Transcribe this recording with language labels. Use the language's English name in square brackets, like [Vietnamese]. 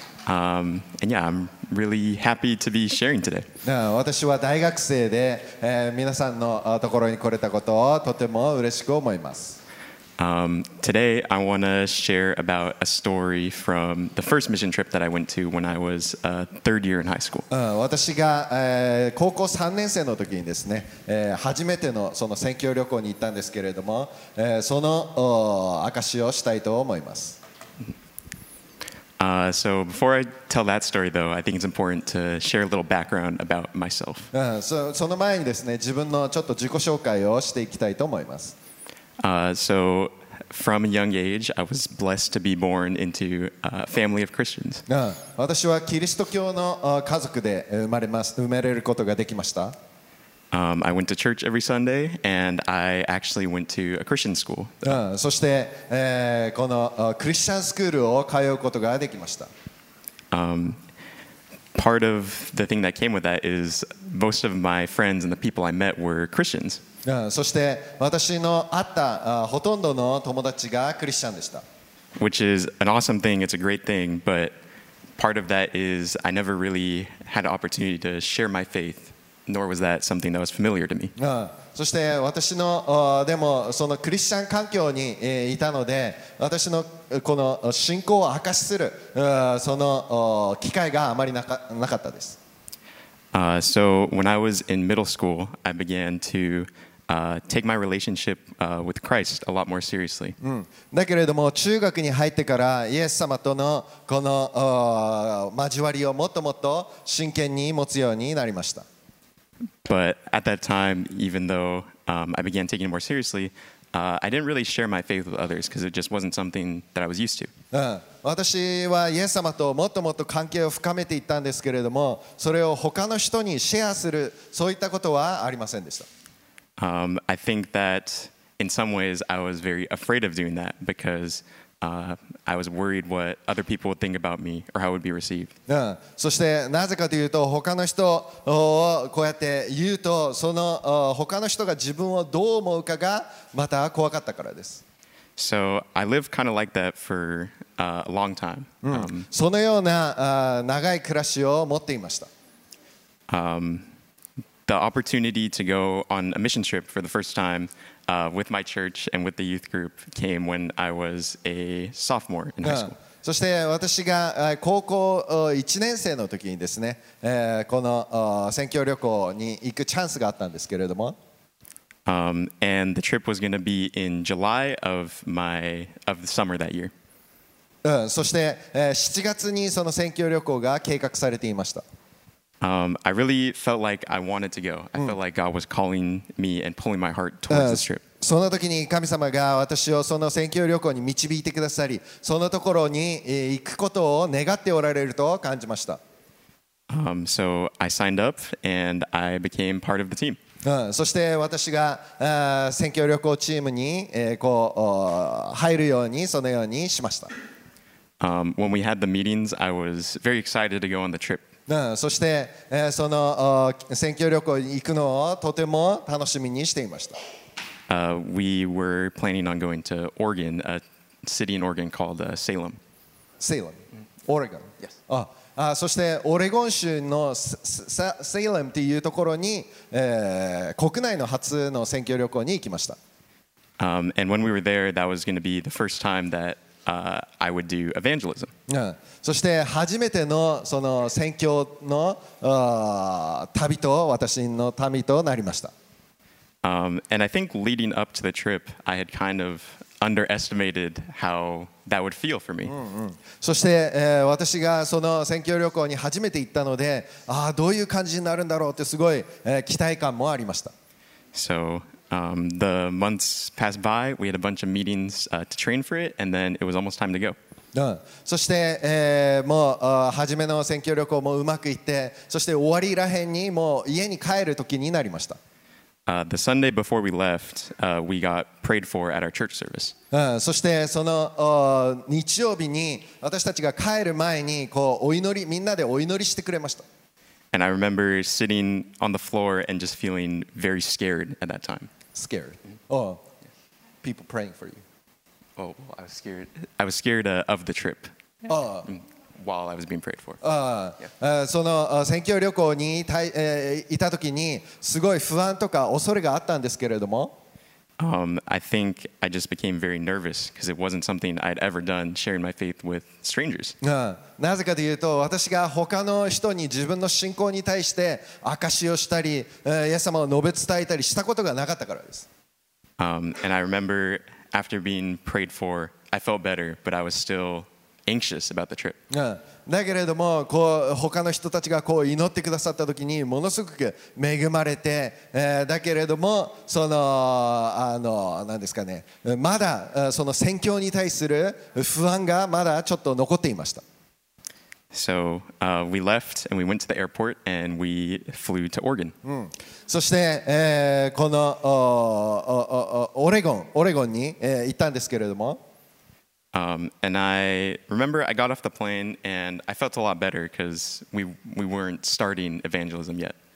[English] And yeah, I'mReally happy to be sharing today. [Japanese] 私は大学生で、皆さんのところに来れたことをとても嬉しく思います。 [English] Today I want to share about a story from the first mission trip that I went to when I was a third year in high school. [Japanese] 私が、高校3年生の時にですね、初めてのその宣教旅行に行ったんですけれども、その証をしたいと思います。 [English] So before I tell that story, though, I think it's important to share a little background about myself. [Japanese] その前にですね、自分のちょっと自己紹介をしていきたいと思います。 [English] So from a young age, I was blessed to be born into a family of Christians. [Japanese] 私はキリスト教の家族で生まれることができました。 [English] I went to church every Sunday, and I actually went to a Christian school. [Japanese] そして、このクリスチャンスクールを通うことができました。 [English] Part of the thing that came with that is most of my friends and the people I met were Christians. [Japanese] そして、私の会ったほとんどの友達がクリスチャンでした。 [English] Which is an awesome thing, it's a great thing, but part of that is I never really had an opportunity to share my faith. Nor was that something that was familiar to me. [Japanese] そして私のでもそのクリスチャン環境にいたので私のこの信仰を証しするその機会があまりなかったです。 [English] So when I was in middle school, I began to take my relationship with Christ a lot more seriously. [Japanese] だけれども中学に入ってからイエス様とのこの交わりをもっともっと真剣に持つようになりました。 [English] But at that time, even though I began taking it more seriously, I didn't really share my faith with others because it just wasn't something that I was used to. [Japanese] 私はイエス様ともっともっと関係を深めていったんですけれども、それを他の人にシェアするそういったことはありませんでした。 [English] I think that in some ways I was very afraid of doing that because I was worried what other people would think about me or how I would be received. [Japanese] そしてなぜかというと他の人をこうやって言うとその他の人が自分をどう思うかがまた怖かったからです。 [English] So I lived kind of like that for a long time. [Japanese] そのような長い暮らしを持っていました。 [English] The opportunity to go on a mission trip for the first time. With my church and with the youth group came when I was a sophomore in high school. [Japanese] そして私が高校1年生の時にですね、この宣教旅行に行くチャンスがあったんですけれども。 [English] And the trip was going to be in July of the summer that year. [Japanese] そして7月にその宣教旅行が計画されていました。 [English] I really felt like I wanted to go. I felt like God was calling me and pulling my heart towards this trip. [Japanese] その時に神様が私をその宣教旅行に導いてくださり、そのところに行くことを願っておられると感じました。 [English] So I signed up and I became part of the team. [Japanese] そして私が宣教旅行チームに入るようにそのようにしました。 [English] When we had the meetings, I was very excited to go on the trip. [Japanese] そしてその宣教旅行に行くのをとても楽しみにしていました。 [English] We were planning on going to Oregon, a city in Oregon called Salem. Salem, Oregon. Yes. [Japanese] そしてオレゴン州のセイレムというところに、国内の初の宣教旅行に行きました。 [English] And when we were there, that was going to be the first time that I would do evangelism. [Japanese] そして初めてのその宣教の旅と私の旅となりました。 [English] And I think leading up to the trip, I had kind of underestimated how that would feel for me. [Japanese] そして、私がその宣教旅行に初めて行ったので、ああどういう感じになるんだろうってすごい、期待感もありました。 [English] So, the months passed by. We had a bunch of meetings, to train for it, and then it was almost time to go. [Japanese] そして、もう初めの宣教旅行もうまくいって、そして終わりらへんにもう家に帰る時になりました。 [English] The Sunday before we left, we got prayed for at our church service. [Japanese] そしてその日曜日に私たちが帰る前にこうお祈りみんなでお祈りしてくれました。 [English] And I remember sitting on the floor and just feeling very scared at that time. Scared? Oh, people praying for you. Oh, I was scared. I was scared of the trip. While I was being prayed for. [Japanese] その宣教旅行にいた時にすごい不安とか恐れがあったんですけれども。 [English] I think I just became very nervous because it wasn't something I'd ever done sharing my faith with strangers. [Japanese] なぜかというと私が他の人に自分の信仰に対して証をしたり、イエス様を述べ伝えたりしたことがなかったからです。 [English] And I remember after being prayed for, I felt better, but I was still anxious about the trip. [Japanese] だけれどもこう他の人たちがこう祈ってくださった時にものすごく恵まれて、だけれどもその何ですかね、まだその宣教に対する不安がまだちょっと残っていました。 [English] So, we left and we went to the airport and we flew to Oregon. [Japanese] そして、このオレゴンに、行ったんですけれども。 [English] And I remember I got off the plane and I felt a lot better because we weren't starting evangelism yet.